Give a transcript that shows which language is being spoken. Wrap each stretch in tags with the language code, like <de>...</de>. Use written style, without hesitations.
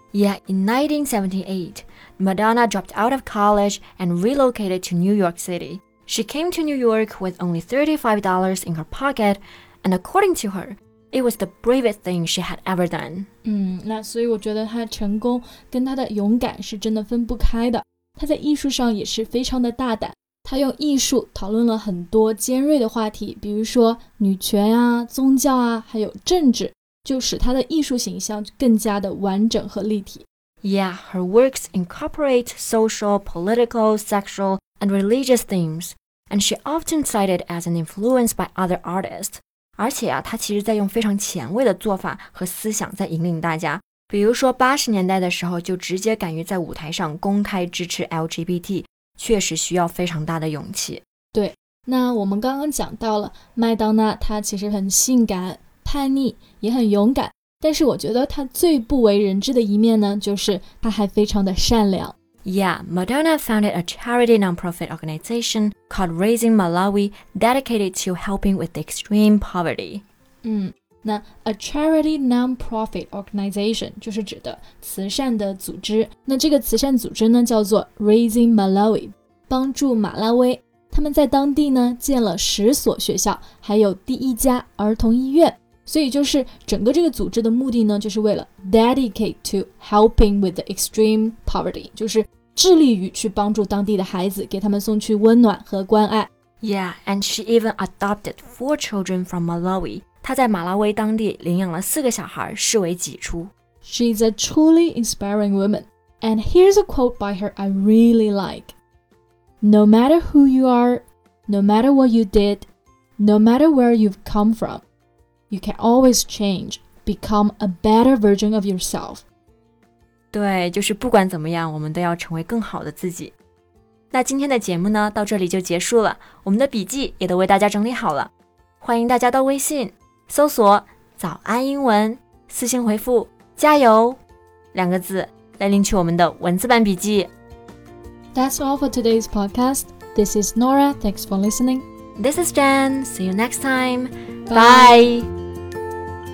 <en>Yeah, in 1978, Madonna dropped out of college and relocated to New York City. She came to New York with only $35 in her pocket, and according to her, it was the bravest thing she had ever done.</en> <zh>那所以我觉得她的成功跟她的勇敢是真的分不开的。她在艺术上也是非常的大胆。他用艺术讨论了很多尖锐的话题，比如说女权啊、宗教啊，还有政治，就使他的艺术形象更加的完整和立体。</zh> <en>Yeah, her works incorporate social, political, sexual, and religious themes, and she often cited as an influence by other artists.</en> <zh>而且啊，他其实在用非常前卫的做法和思想在引领大家。比如说80年代的时候，就直接敢于在舞台上公开支持 LGBT。确实需要非常大的勇气。对，那我们刚刚讲到了麦当娜，她其实很性感、叛逆，也很勇敢。但是我觉得她最不为人知的一面呢，就是她还非常的善良。</zh> <en>Yeah, Madonna founded a charity non-profit organization called Raising Malawi, dedicated to helping with extreme poverty.</en> <zh>那 a charity non-profit organization 就是指的慈善的组织，那这个慈善组织呢叫做 Raising Malawi， 帮助马拉威。他们在当地呢建了十所学校，还有第一家儿童医院，所以就是整个这个组织的目的呢，就是为了</zh> <en>dedicate to helping with the extreme poverty，</en> <zh>就是致力于去帮助当地的孩子，给他们送去温暖和关爱。</zh> <en>Yeah, and she even adopted 4 children from Malawi.</en> <zh>她在马拉威当地领养了四个小孩，视为己出。</zh> <en>She's a truly inspiring woman. And here's a quote by her I really like. No matter who you are, no matter what you did, no matter where you've come from, you can always change, become a better version of yourself.</en> <zh>对，就是不管怎么样，我们都要成为更好的自己。那今天的节目呢，到这里就结束了，我们的笔记也都为大家整理好了，欢迎大家到微信搜索早安英文，私信回复加油两个字来领取我们的文字版笔记。</zh> <en>That's all for today's podcast. This is Nora, thanks for listening. This is Jen, see you next time. Bye, Bye.</en>